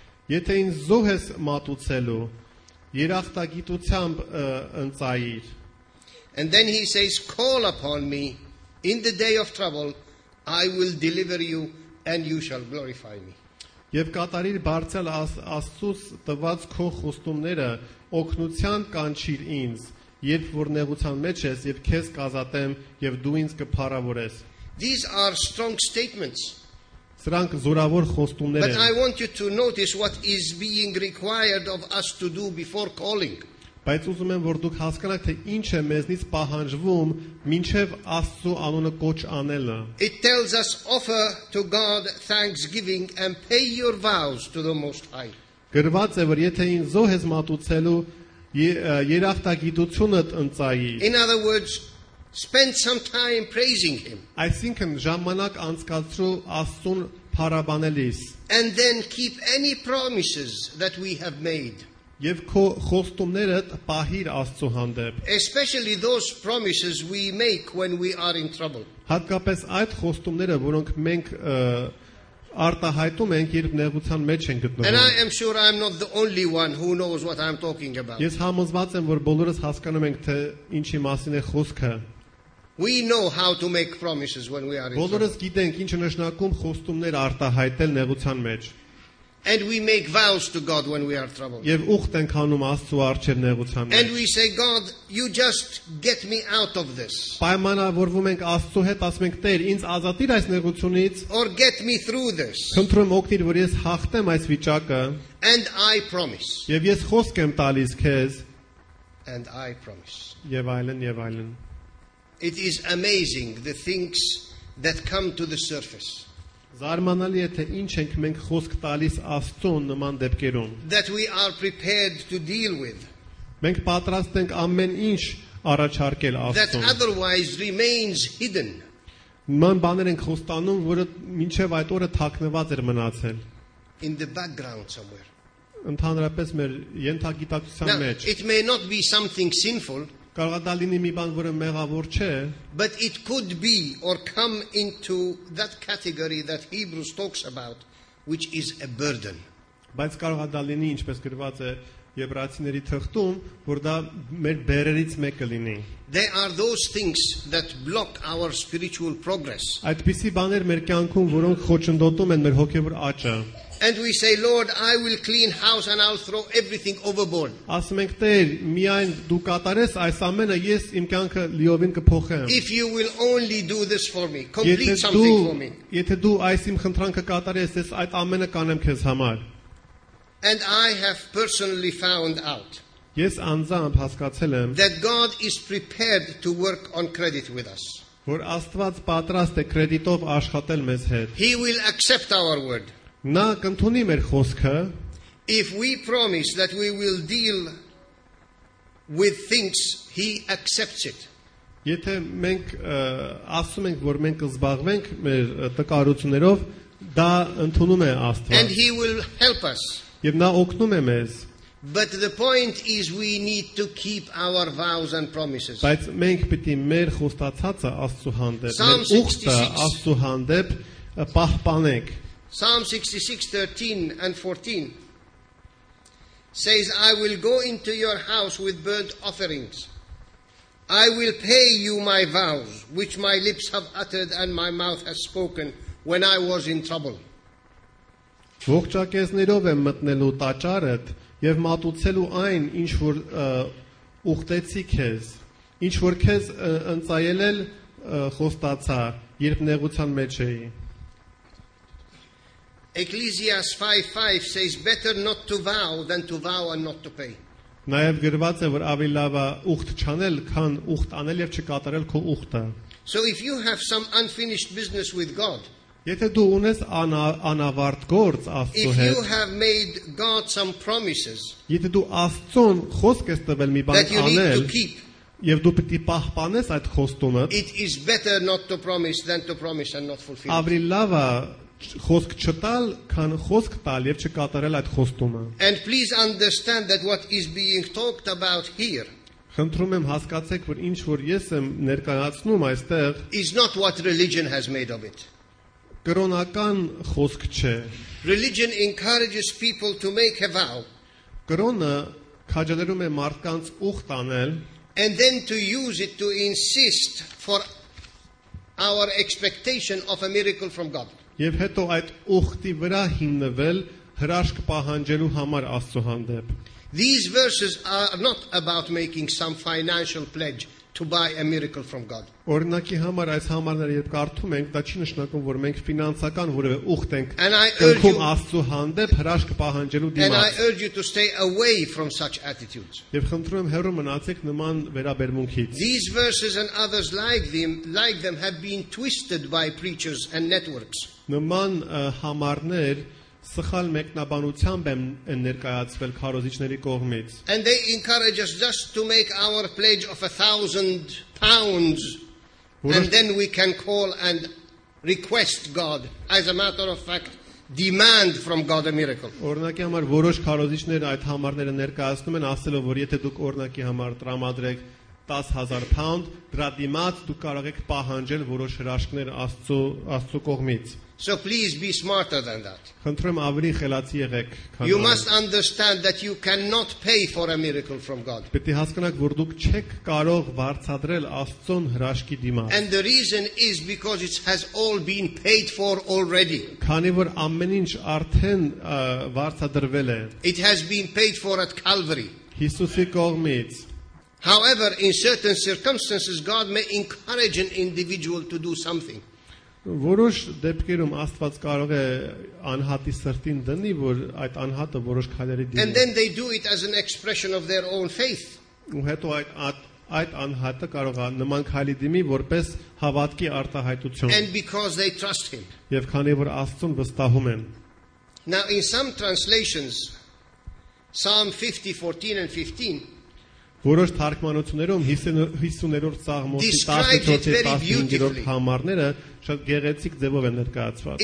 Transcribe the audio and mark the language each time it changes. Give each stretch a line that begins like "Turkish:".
Armenian: Եթե ինձ զոհ ես մատուցելու, երախտագիտությամբ ընծայիր։
English: And then he says, call upon me in the day of trouble, I will deliver you and you shall glorify me.
Armenian: Եվ կատարիր բարձալ Աստծուս տված քո խոստումները, օգնության կանչիր ինձ, երբ որ նեղության մեջ ես, եւ քեզ կազատեմ, եւ դու ինձ կփառավորես։
English: These are strong statements.
Armenian: Սրանք զորավոր խոստումներ են։
English: But I want you to notice what is being required of us to do before calling.
Armenian: Բայց ուզում եմ որ դուք հասկանաք թե ինչ է մեզնից պահանջվում մինչև Աստծո անունը կոչ անելը։
English: It tells us offer to God thanksgiving and pay your vows to the Most High.
Armenian: Գրված է, որ եթե ինձ զոհ ես մատուցելու, երախտագիտությունդ ընծայի.
English: In other words, spend some time praising him.
Armenian: Այսինքն ժամանակ անցկացրու Աստծուն փառաբանելիս.
English: And then keep any promises that we have made.
Armenian: Եվ քո խոստումներդ պահիր Աստծո հանդեպ.
English: Especially those promises we make when we are in trouble.
Armenian: Հատկապես այդ խոստումները, որոնք մենք արտահայտում ենք, երբ նեղության մեջ ենք գտնվում.
English: And I am sure I am not the only one who knows what I'm talking about.
Armenian: Ես համոզված եմ, որ բոլորս հասկանում ենք, թե ինչի մասին է խոսքը.
English: We know how to make promises when we are in trouble.
Armenian: Բոլորս գիտենք, ինչ նշանակում խոստումներ արտահայտել նեղության մեջ.
English: And we make vows to God when we are troubled.
Armenian: Եվ ուխտ ենք անում Աստծո առջև նեղության մեջ.
English: And we say, God, you just get me out of this.
Armenian: Պայմանավորվում ենք Աստծո հետ, ասում ենք, Տեր, ինձ ազատիր այս նեղությունից.
English: Or get me through this.
Armenian: Խնդրեմ օգնիր, որ ես հաղթեմ այս վիճակը.
English: And I promise.
Armenian: Եվ ես խոսք եմ տալիս քեզ.
English: And I promise.
Armenian: Եվ այլն, եւ այլն.
English: It is amazing the things that come to the surface.
Armenian: Զարմանալի է, թե ինչ ենք մենք խոսք տալիս Աստծուն նման դեպքերում.
English: That we are prepared to deal with.
Armenian: Մենք պատրաստ ենք ամեն ինչ առաջարկել Աստծուն.
English: That otherwise remains hidden.
Armenian: Նման բաներ ենք խոստանում, որը մինչև այդ օրը թաքնված էր մնացել.
English: In the background somewhere.
Armenian: Ընդհանրապես մեր ենթագիտակցության մեջ.
English: It may not be something sinful.
Armenian: Կարող է լինի մի բան, որը մեղավոր չէ,
English: but it could be or come into that category that Hebrews talks about, which is a burden.
Armenian: Բայց կարող է լինի, ինչպես գրված է Եբրացիների թղթում, որ դա մեր բերերից մեկը լինի.
English: There are those things that block our spiritual progress.
Armenian: Այդպիսի բաներ մեր կյանքում, որոնք խոչընդոտում են մեր հոգևոր աճը.
English: And we say, Lord, I will clean house and I'll throw everything overboard.
Armenian: Ասենք Տեր, միայն դու կատարես այս ամենը, ես իմ կյանքը լիովին կփոխեմ.
English: If you will only do this for me, complete something for me.
Armenian: Եթե դու այս իմ խնդրանքը կատարես, ես այդ ամենը կանեմ քեզ համար.
English: And I have personally found out.
Armenian: Ես անձամբ հասկացել եմ.
English: That God is prepared to work on credit with us.
Armenian: Որ Աստված պատրաստ է կրեդիտով աշխատել մեզ հետ.
English: He will accept our word.
Armenian: Նա կընդունի մեր խոսքը.
English: If we promise that we will deal with things, he accepts it.
Armenian: Եթե մենք ասում ենք, որ մենք կզբաղվենք մեր տկարություններով, դա ընդունում է Աստված.
English: And he will help us.
Armenian: Եվ նա օգնում է մեզ.
English: But the point is we need to keep our vows and promises.
Armenian: Բայց մենք պիտի մեր խոստացածը Աստծո հանդեպ, մեր ուղտը Աստծո հանդեպ պահպանենք.
English: Psalm 66:13 and 14 says, I will go into your house with burnt offerings. I will pay you my vows, which my lips have uttered and my mouth has spoken when I was in trouble.
Armenian: Ողջակեսներով եմ մտնելու տաճարդ եւ մատուցելու այն, ինչ որ ուխտեցի քեզ, ինչ որ քեզ ընծայելել խոստացա, երբ նեղության մեջ էի.
English: Ecclesiastes 5:5 says better not to vow than to vow and not to pay.
Armenian: Նաև գրված է, որ ավելի լավ է ուխտ չանել, քան ուխտ անել եւ չկատարել քո ուխտը.
English: So if you have some unfinished business with God,
Armenian: եթե դու ունես անավարտ գործ Աստծո հետ,
English: if you have made God some promises,
Armenian: եթե դու Աստծուն խոսք ես տվել մի բան անել, եւ դու պետք է պահպանես այդ խոստումը,
English: it is better not to promise than to promise and not fulfill.
Armenian: Ավելի լավ է խոսք չտալ, քան խոսք տալ եւ չկատարել այդ խոստումը.
English: And please understand that what is being talked about here.
Armenian: Խնդրում եմ հասկացեք, որ ինչ որ ես եմ ներկայացնում այստեղ,
English: is not what religion has made of it.
Armenian: Կրոնական խոսք չէ.
English: Religion encourages people to make a vow.
Armenian: Կրոնը քաջալերում է մարդկանց ուխտ անել,
English: and then to use it to insist for our expectation of a miracle from God.
Armenian: Եվ հետո այդ ուխտի վրա հիմնվել հրաշք պահանջելու համար Աստծո հանդեպ.
English: These verses are not about making some financial pledge to buy a miracle from God.
Armenian: Օրինակի համար այս համարները երբ կարդում ենք, դա չի նշանակում, որ մենք ֆինանսական որևէ ուխտ ենք ընդունում Աստծո հանդեպ հրաշք պահանջելու դիմաց.
English: And I urge you to stay away from such attitudes.
Armenian: Եվ խնդրում եմ հեռու մնացեք նման վերաբերմունքից.
English: These verses and others like them have been twisted by preachers and networks.
Armenian: Նման համարներ սխալ մեկնաբանությամբ են ներկայացվել քարոզիչների կողմից։
English: And they encourage us just to make our pledge of £1,000 and then we can call and request God, as a matter of fact, demand from God a miracle.
Armenian: Օրնակի համար որոշ քարոզիչներ այդ համարները ներկայացնում են ասելով, որ եթե դուք օրնակի համար տրամադրեք £10,000, դրա դիմաց դուք կարող եք պահանջել որոշ հրաշքներ Աստծո կողմից։
English: So please be smarter than that.
Armenian: Խնդրեմ ավելի խելացի եղեք։
English: You must understand that you cannot pay for a miracle from God.
Armenian: Պետք է հասկանաք, որ դուք չեք կարող վարձադրել Աստծուն հրաշքի դիմաց։
English: And the reason is because it has all been paid for already.
Armenian: Քանի որ ամեն ինչ արդեն վարձադրվել է։
English: It has been paid for at Calvary.
Armenian: Հիսուսի կողմից։
English: However, in certain circumstances, God may encourage an individual to do something.
Armenian: Որոշ դեպքերում Աստված կարող է անհատի սրտին դնի, որ այդ անհատը որոշ քայլերի դիմի։
English: And then they do it as an expression of their own faith.
Armenian: Ու հետո այդ անհատը կարող է նման քայլի դիմի, որպես հավատքի արտահայտություն։
English: And because they trust him.
Armenian: Եվ քանի որ Աստծուն վստահում են։
English: Now in some translations, Psalm 50:14 and 15,
Armenian: Որոշ թարգմանություններում 50-րդ Սաղմոսի 14-15-րդ համարները շատ գեղեցիկ ձևով են ներկայացված։